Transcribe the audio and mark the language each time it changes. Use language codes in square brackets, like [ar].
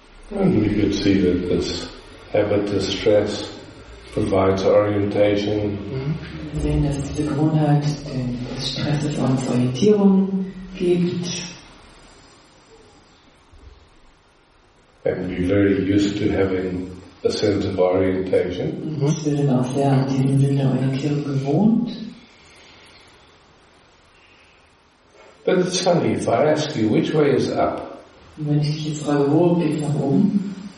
[en] And we could see that this habit of stress provides orientation. [de] Wir sehen, dass diese Gewohnheit den Stress für uns Orientierung gibt. [en] And we're very used to having a sense of orientation. [de] Und wir sind auch sehr an diesem Sinn der Orientierung gewohnt. [en] But it's funny, if I ask you, which way is up? [de] Und wenn ich dich jetzt frage, wo geht's nach oben?